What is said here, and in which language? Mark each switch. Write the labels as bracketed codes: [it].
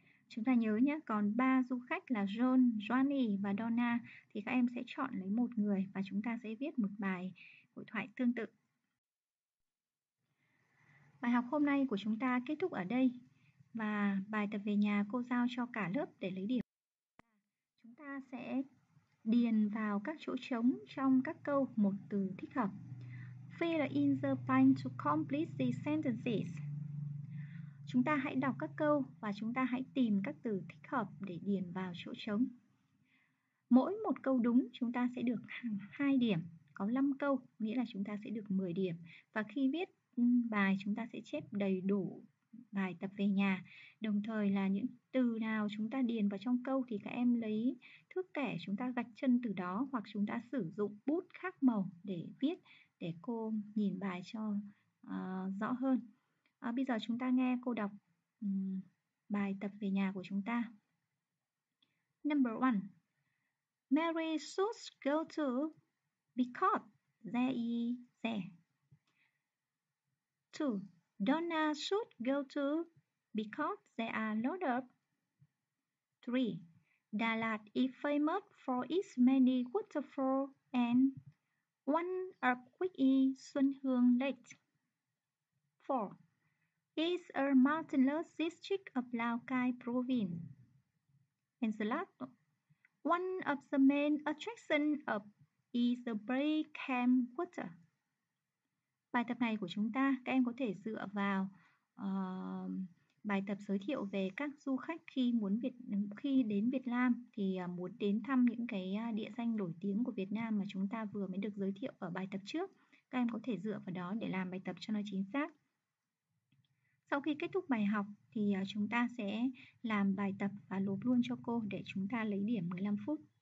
[vi] Chúng ta nhớ nhé, còn 3 du khách là John, Johnny và Donna thì các em sẽ chọn lấy một người và chúng ta sẽ viết một bài hội thoại tương tự. Bài học hôm nay của chúng ta kết thúc ở đây và bài tập về nhà cô giao cho cả lớp để lấy điểm. Chúng ta sẽ điền vào các chỗ trống trong các câu một từ thích hợp. [en] Fill in the blank to complete the sentences. [vi] Chúng ta hãy đọc các câu và chúng ta hãy tìm các từ thích hợp để điền vào chỗ trống. Mỗi một câu đúng chúng ta sẽ được 2 điểm, có 5 câu nghĩa là chúng ta sẽ được 10 điểm. Và khi viết bài chúng ta sẽ chép đầy đủ bài tập về nhà. Đồng thời là những từ nào chúng ta điền vào trong câu thì các em lấy thước kẻ chúng ta gạch chân từ đó hoặc chúng ta sử dụng bút khác màu để viết để cô nhìn bài cho rõ hơn. Bây giờ chúng ta nghe cô đọc bài tập về nhà của chúng ta. [en] Number 1. Mary should go to because there is there. 2. Donna should go to because there are lot of. 3. Đà Lạt is famous for its many waterfalls and one of which is Xuân Hương Lake. 4. It's a mountainous district of Lao Cai province. And the last one of the main attractions of is the Bay Camp Water. [vi] Bài tập này của chúng ta, các em có thể dựa vào bài tập giới thiệu về các du khách khi đến Việt Nam thì muốn đến thăm những cái địa danh nổi tiếng của Việt Nam mà chúng ta vừa mới được giới thiệu ở bài tập trước. Các em có thể dựa vào đó để làm bài tập cho nó chính xác. Sau khi kết thúc bài học thì chúng ta sẽ làm bài tập và lộp luôn cho cô để chúng ta lấy điểm 15 phút.